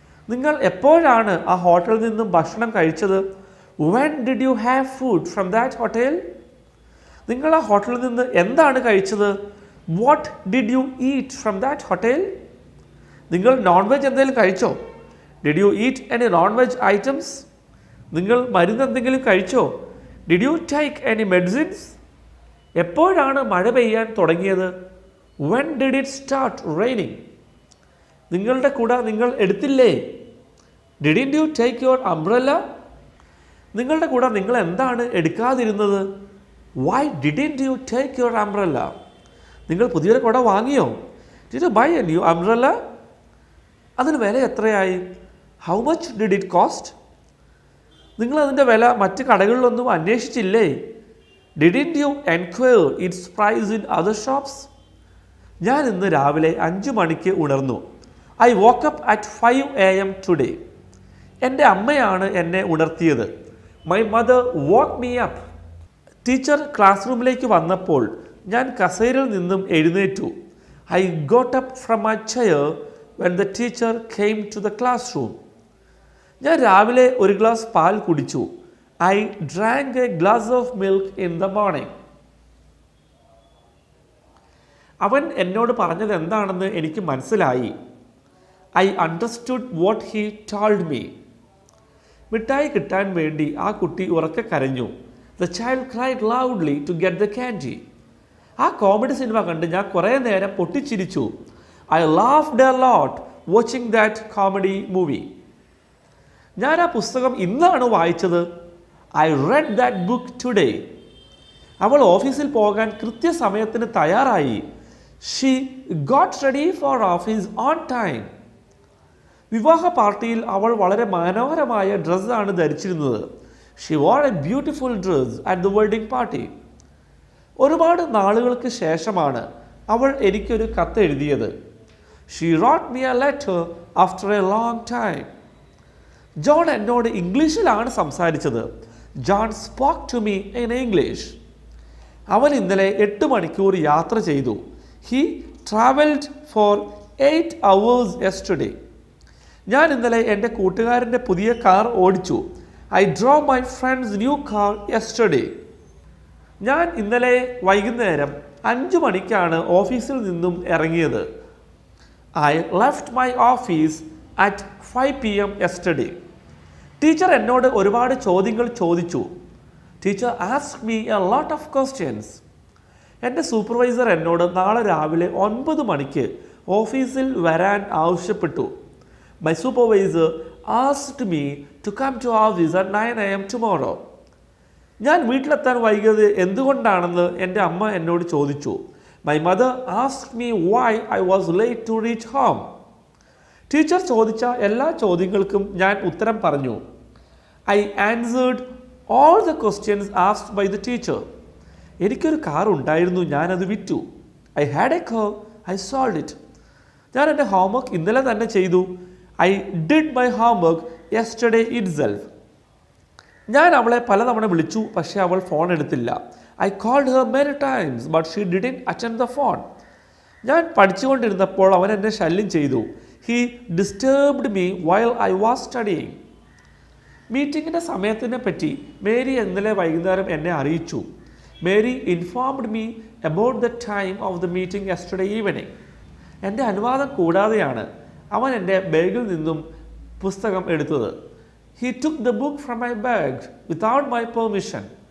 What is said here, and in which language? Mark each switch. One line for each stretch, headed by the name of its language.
Malayalam: നിങ്ങൾ എപ്പോഴാണ് ആ ഹോട്ടലിൽ നിന്നും ഭക്ഷണം കഴിച്ചത്?
English: When did you have food from that hotel?
Malayalam: നിങ്ങൾ ആ ഹോട്ടലിൽ നിന്ന് എന്താണ് കഴിച്ചത്?
English: What did you eat from that hotel?
Malayalam: നിങ്ങൾ നോൺ വെജ് എന്തെങ്കിലും കഴിച്ചോ?
English: Did you eat any non-veg items?
Malayalam: നിങ്ങൾ മരുന്നെന്തെങ്കിലും കഴിച്ചോ?
English: Did you take any medicines?
Malayalam: എപ്പോഴാണ് മഴ പെയ്യാൻ തുടങ്ങിയത്?
English: When did it start raining?
Malayalam: നിങ്ങളുടെ കുട നിങ്ങൾ എടുത്തില്ലേ?
English: Didn't you take your umbrella?
Malayalam: നിങ്ങളുടെ കുട നിങ്ങൾ എന്താണ് എടുക്കാതിരുന്നത്?
English: Why didn't you take your umbrella?
Malayalam: നിങ്ങൾ പുതിയൊരു കുട വാങ്ങിയോ?
English: Did you buy a new umbrella?
Malayalam: അതിന് വില എത്രയായി?
English: How much did it cost?
Malayalam: നിങ്ങളതിൻ്റെ വില മറ്റ് കടകളിലൊന്നും അന്വേഷിച്ചില്ലേ?
English: Didn't you enquire its price in other shops?
Malayalam: ഞാൻ ഇന്ന് രാവിലെ 5 മണിക്ക് ഉണർന്നു.
English: I woke up at 5 AM today.
Malayalam: എൻ്റെ അമ്മയാണ് എന്നെ ഉണർത്തിയത്.
English: My mother woke me up.
Malayalam: Teacher class റൂമിലേക്ക് വന്നപ്പോൾ ഞാൻ കസേരയിൽ നിന്നും എഴുന്നേറ്റു.
English: I got up from my chair when the teacher came to the classroom.
Malayalam: ഞാൻ രാവിലെ ഒരു ഗ്ലാസ് പാൽ കുടിച്ചു.
English: I drank a glass of milk in the morning.
Malayalam: അവൻ എന്നോട് പറഞ്ഞത് എന്താണെന്ന് എനിക്ക് മനസ്സിലായി.
English: I understood what he told me.
Malayalam: മിഠായി കിട്ടാൻ വേണ്ടി ആ കുട്ടി ഉറക്കെ കരഞ്ഞു.
English: The child cried loudly to get the candy.
Malayalam: ആ കോമഡി സിനിമ കണ്ട് ഞാൻ കുറേ നേരം പൊട്ടിച്ചിരിച്ചു.
English: I laughed a lot watching that comedy movie.
Malayalam: ഞാൻ ആ പുസ്തകം ഇന്നാണ് വായിച്ചത്.
English: I read that book today.
Malayalam: അവൾ ഓഫീസിൽ പോകാൻ കൃത്യസമയത്തിന് തയ്യാറായി.
English: She got ready for office on time.
Malayalam: വിവാഹ പാർട്ടിയിൽ അവൾ വളരെ മനോഹരമായ ഡ്രസ്സാണ് ധരിച്ചിരുന്നത്.
English: She wore a beautiful dress at the wedding party.
Malayalam: ഒരുപാട് നാളുകൾക്ക് ശേഷമാണ് അവൾ എനിക്കൊരു കത്ത് എഴുതിയത്.
English: She wrote me a letter after a long time.
Malayalam: John എന്നോട് ഇംഗ്ലീഷിലാണ് സംസാരിച്ചത്.
English: John spoke to me in English.
Malayalam: അവൻ ഇന്നലെ 8 മണിക്കൂർ യാത്ര ചെയ്തു.
English: He travelled for 8 hours yesterday.
Malayalam: ഞാൻ ഇന്നലെ എൻ്റെ കൂട്ടുകാരൻ്റെ പുതിയ കാർ ഓടിച്ചു.
English: I drove my friend's new car yesterday.
Malayalam: ഞാൻ ഇന്നലെ വൈകുന്നേരം 5 മണിക്കാണ് ഓഫീസിൽ നിന്നും ഇറങ്ങിയത്.
English: I left my office at 5 PM yesterday.
Malayalam: Teacher എന്നോട് ഒരുപാട് ചോദ്യങ്ങൾ ചോദിച്ചു.
English: Teacher ask me a lot of questions.
Malayalam: എൻ്റെ സൂപ്പർവൈസർ എന്നോട് നാളെ രാവിലെ 9 മണിക്ക് ഓഫീസിൽ വരാൻ ആവശ്യപ്പെട്ടു.
English: My supervisor asked me to come to office at 9 AM tomorrow.
Malayalam: ഞാൻ വീട്ടിലെത്താൻ വൈകിയത് എന്തുകൊണ്ടാണെന്ന് എൻ്റെ അമ്മ എന്നോട് ചോദിച്ചു.
English: My mother asked me why I was late to reach home.
Malayalam: Teacher ചോദിച്ച എല്ലാ ചോദ്യങ്ങൾക്കും ഞാൻ ഉത്തരം പറഞ്ഞു.
English: I answered all the questions asked by the teacher.
Malayalam: എനിക്കൊരു കാർ ഉണ്ടായിരുന്നു, ഞാനത് വിറ്റു.
English: I had a car, I sold it.
Malayalam: ഞാൻ എൻ്റെ ഹോംവർക്ക് ഇന്നലെ തന്നെ ചെയ്തു.
English: I did my homework yesterday itself.
Malayalam: ഞാൻ അവളെ പലതവണ വിളിച്ചു, പക്ഷേ അവൾ ഫോൺ എടുത്തില്ല.
English: I called her many times, but she didn't attend the phone.
Malayalam: ഞാൻ പഠിച്ചുകൊണ്ടിരുന്നപ്പോൾ അവൻ എന്നെ ശല്യം ചെയ്തു.
English: He disturbed me while I was studying.
Malayalam: മീറ്റിംഗിൻ്റെ സമയത്തിനെ പറ്റി മേരി ഇന്നലെ വൈകുന്നേരം എന്നെ അറിയിച്ചു.
English: Mary informed me about the time of the meeting yesterday evening.
Malayalam: എൻ്റെ അനുവാദം കൂടാതെയാണ് അവൻ എൻ്റെ ബാഗിൽ നിന്നും പുസ്തകം എടുത്തത്.
English: He took the book from my bag without my permission.